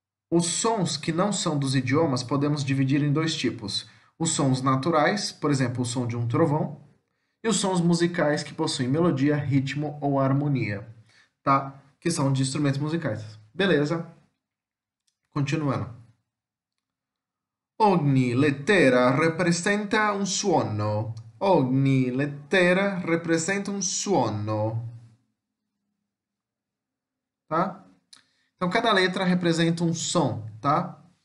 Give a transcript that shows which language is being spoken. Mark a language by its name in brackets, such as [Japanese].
[Portuguese] Os sons que não são dos idiomas podemos dividir em dois tipos: os sons naturais, por exemplo, o som de um trovão, e os sons musicais que possuem melodia, ritmo ou harmonia, tá? Que são de instrumentos musicais. Beleza? Continuando. [Italian] Ogni lettera rappresenta un suono. Ogni lettera rappresenta un suono. [Portuguese] Tá? Então, cada letra representa um som, tá?